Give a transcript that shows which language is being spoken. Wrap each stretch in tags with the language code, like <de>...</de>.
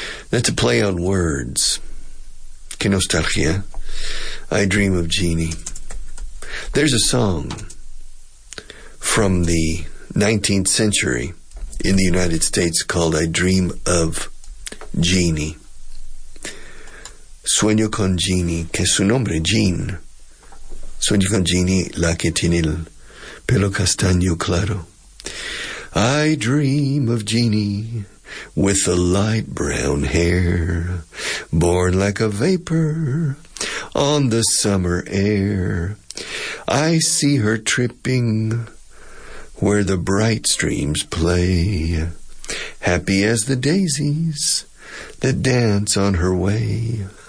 <en>That's a play on words.</en> <es>Qué nostalgia.</es> <en>I dream of genie. There's a song from the 19th century in the United States called I Dream of Genie.</en> <es>Sueño con Genie, que es su nombre, Jean. Sueño con Genie, la que tiene el pelo castaño claro.</es> <en>I dream of Genie with the light brown hair, born like a vapor on the summer air. I see her tripping where the bright streams play, happy as the daisies that dance on her way.</en>